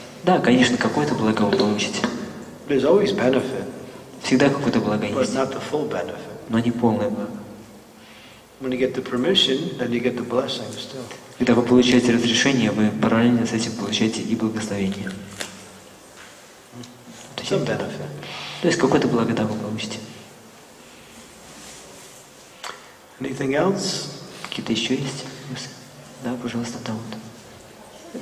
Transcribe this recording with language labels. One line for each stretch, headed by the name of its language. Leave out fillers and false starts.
Russian: Да, конечно, какое-то благо вы получите.
English: There's always benefit.
Russian: Всегда какое-то благо есть.
English: But not the full benefit.
Russian: Но не полное благо.
English: When you get the permission, then you get the blessings too.
Russian: Когда вы получаете разрешение, вы параллельно с этим получаете и благословение.
English: Some benefit.
Russian: То есть какое-то благо вы получите.
English: Anything else?
Russian: Какие-то еще есть? Да, пожалуйста, там вот.